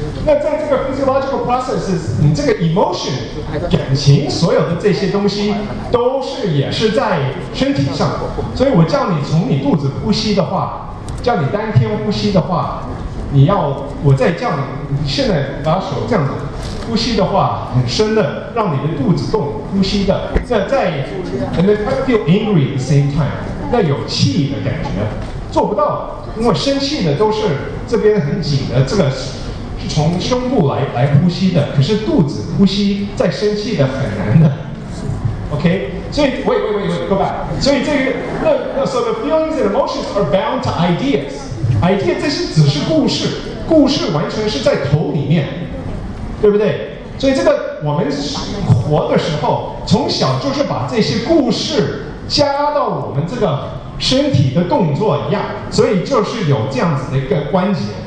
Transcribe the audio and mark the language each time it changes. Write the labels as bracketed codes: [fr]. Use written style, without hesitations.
[zh] 那在这个 physiological process， 你这个 emotion 感情所有的这些东西都是也是在身体上，所以我叫你从你肚子呼吸的话，叫你丹田呼吸的话，你要我再叫你，你现在把手这样子呼吸的话，很深的让你的肚子动呼吸的，在 [en] and then feel angry at the same time， [zh] 那有气的感觉，做不到，因为生气的都是这边很紧的这个。从胸部 来呼吸的，可是肚子呼吸在生气的很难的。 OK， 所以 [en] wait, go back。 [zh] 所以这个那 [en] so the feelings and emotions are bound to ideas。 [zh] idea 这些只是故事，故事完全是在头里面，对不对？所以这个我们活的时候，从小就是把这些故事加到我们这个身体的动作一样，所以就是有这样子的一个关节。